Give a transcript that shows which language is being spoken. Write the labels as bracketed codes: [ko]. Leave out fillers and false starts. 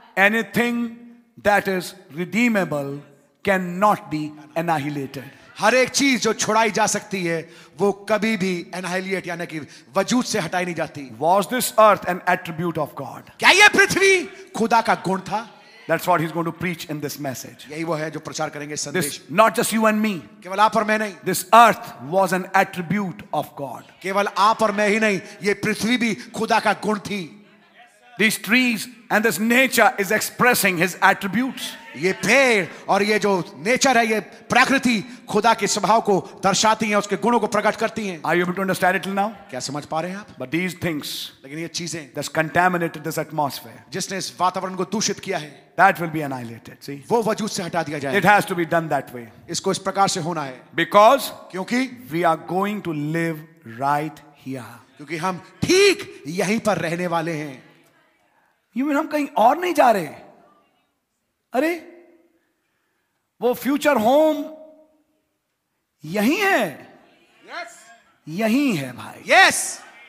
[en] Anything that is redeemable cannot be annihilated. [hi] हर एक चीज जो छुड़ाई जा सकती है वो कभी भी annihilate यानी कि वजूद से हटाई नहीं जाती. [en] Was this earth an attribute of God? [hi] क्या ये पृथ्वी खुदा का गुण था? [en] That's what he's going to preach in this message. [hi] यही वो है जो प्रचार करेंगे संदेश. [en] This, not just you and me. [hi] केवल आप और मैं नहीं. [en] This earth was an attribute of God. [hi] केवल आप और मैं ही नहीं, ये पृथ्वी भी खुदा का गुण थी. [en] These trees and this nature is expressing his attributes. [hi] ये पेड़ और ये जो नेचर है ये प्रकृति खुदा के स्वभाव को दर्शाती है, उसके गुणों को प्रकट करती है. [en] Are you able to understand it till now? [hi] क्या समझ पा रहे हैं आप? [en] But these things, [hi] लेकिन ये चीजें, [en] that's contaminated this atmosphere, [hi] जिसने इस वातावरण को दूषित किया है, [en] that will be annihilated. See? [hi] वो वजूद से हटा दिया जाएगा. [en] It has to be done that way. [hi] इसको इस प्रकार से होना है. [en] Because, [hi] क्योंकि [en] we are going to live right here. [hi] क्योंकि हम ठीक यहीं पर रहने वाले हैं. [en] You mean [hi] हम कहीं और नहीं जा रहे? अरे वो फ्यूचर होम यही है. [en] Yes. [hi] यही है भाई. [en] Yes.